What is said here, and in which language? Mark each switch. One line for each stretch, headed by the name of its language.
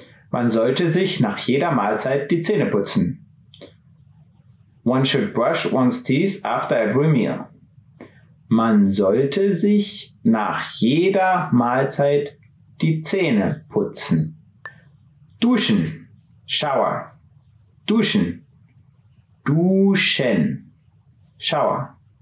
German: Man sollte sich nach jeder Mahlzeit die Zähne putzen.
English: One should brush one's teeth after every meal.
German: Man sollte sich nach jeder Mahlzeit die Zähne putzen. Duschen, shower. Duschen, duschen, shower.